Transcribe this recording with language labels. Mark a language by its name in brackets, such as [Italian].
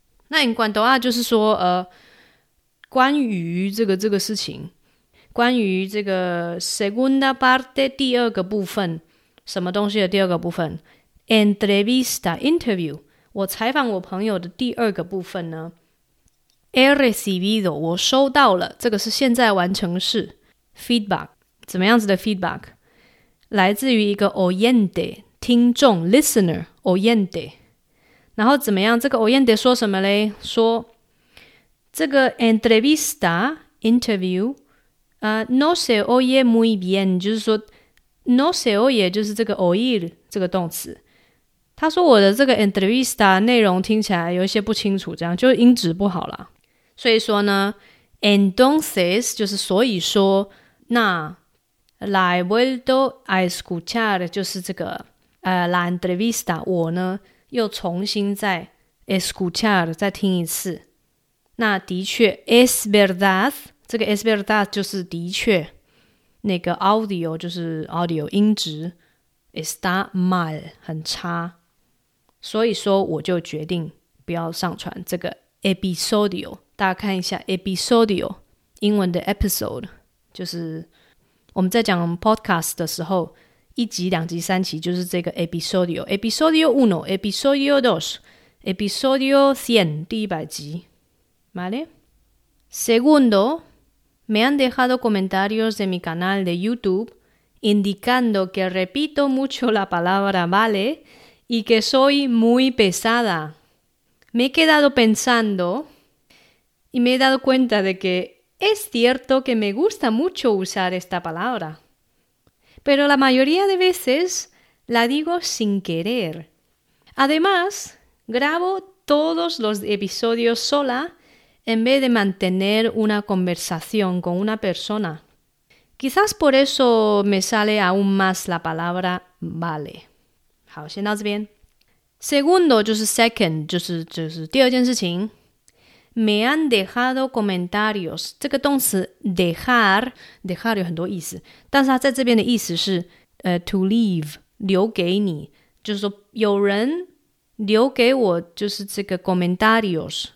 [Chinese] 那 en cuanto a 就是说关于这个事情，关于这个 segunda parte 第二个部分，什么东西的第二个部分 ？Entrevista interview， 我采访我朋友的第二个部分呢 ？ [Spanish] He recibido， [Chinese] 我收到了，这个是现在完成式 feedback， 怎么样子的 feedback？来自于一个 oyente 听众 listener oyente， 然后怎么样？这个 oyente 说什么嘞？说这个 entrevista interview， [Spanish] no se oye muy bien， [Chinese] 就是说 no se oye 就是这个 oír 这个动词。他说我的这个 entrevista 内容听起来有一些不清楚，这样就音质不好啦。所以说呢 ，entonces 就是所以说，那 [Spanish] la he vuelto a escuchar [Chinese] 就是这个la entrevista， 我呢又重新再 escuchar 再听一次。那的确 ， [Spanish] es verdad， [Chinese] 这个 es verdad 就是的确，那个 audio 就是 audio 音质 [Spanish] está mal [Chinese] 很差，所以说我就决定不要上传这个 episodio。大家看一下 episodio， 英文的 episode 就是我们在讲 podcast 的时候，一集、两集、三集就是这个 episodio， [Spanish] episodio uno， episodio dos， episodio cien， [Chinese] 第一百集。 [Spanish] ¿Vale? Segundo, me han dejado comentarios de mi canal de YouTube indicando que repito mucho la palabra vale y que soy muy pesada. Me he quedado pensando y me he dado cuenta de que es cierto que me gusta mucho usar esta palabra, pero la mayoría de veces la digo sin querer. Además, grabo todos los episodios sola en vez de mantener una conversación con una persona. Quizás por eso me sale aún más la palabra vale. [Chinese] 好，先到这边。 Segundo, 就是 second, 就是第二件事情。 [Spanish] Me han dejado comentarios. [Chinese] 这个动词 dejar 有很多意思，但是它在这边的意思是 [English] to leave, [Chinese] 留给你。就是说有人留给我就是这个 comentarios。